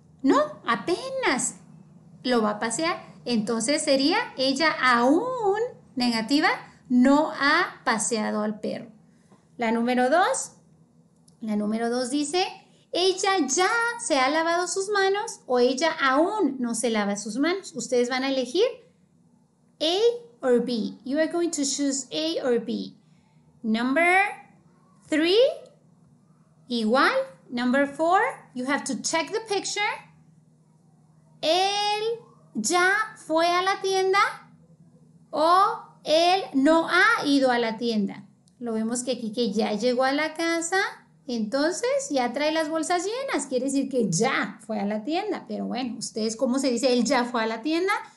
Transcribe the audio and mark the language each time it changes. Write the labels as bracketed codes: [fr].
[es] No, apenas lo va a pasear. Entonces sería, ella aún, negativa, no ha paseado al perro. La número dos dice, ella ya se ha lavado sus manos o ella aún no se lava sus manos. Ustedes van a elegir [en] A or B. You are going to choose A or B. Number three, [es] igual. [en] Number four, you have to check the picture. [es] Él ya fue a la tienda o él no ha ido a la tienda. Lo vemos que aquí que ya llegó a la casa. Entonces, ya trae las bolsas llenas. Quiere decir que ya fue a la tienda. Pero bueno, ustedes, ¿cómo se dice él ya fue a la tienda?